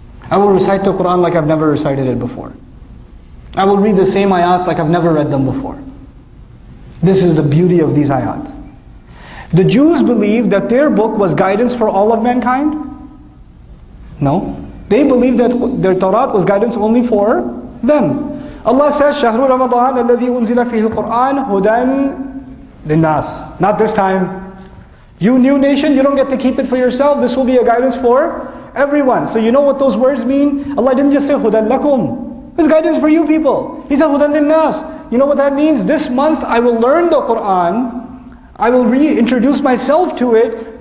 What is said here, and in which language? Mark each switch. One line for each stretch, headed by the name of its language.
English: I will recite the Qur'an like I've never recited it before. I will read the same ayat like I've never read them before. This is the beauty of these ayat. The Jews believed that their book was guidance for all of mankind? No. They believed that their Torah was guidance only for them. Allah says,
Arabic: شهر رمضان الذي أنزل فيه القرآن هدى للناس.
English: Not this time. You new nation, you don't get to keep it for yourself. This will be a guidance for everyone. So you know what those words mean? Allah didn't just say
Arabic: هدى لكم.
English: It's guidance for you people. He said
Arabic: هدى للناس.
English: You know what that means? This month I will learn the Qur'an. I will reintroduce myself to it.